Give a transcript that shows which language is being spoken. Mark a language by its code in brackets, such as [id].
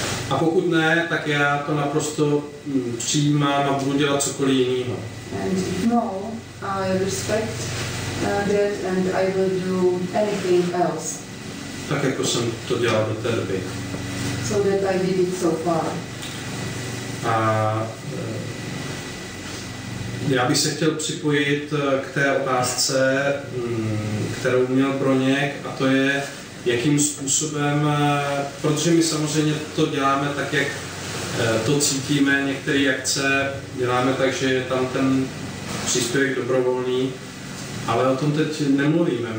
[cs] A pokud ne, tak já to naprosto přijímám a budu dělat cokoliv jiného. [en] And if no, I respect that and I will do anything else. [cs] Tak jako jsem to dělal do té doby. [en] So that I did it so far. [cs] A já bych se chtěl připojit k té otázce, kterou měl Broněk, a to je, jakým způsobem, protože my samozřejmě to děláme tak, jak to cítíme, některé akce děláme tak, že je tam ten příspěvek dobrovolný, ale o tom teď nemluvíme.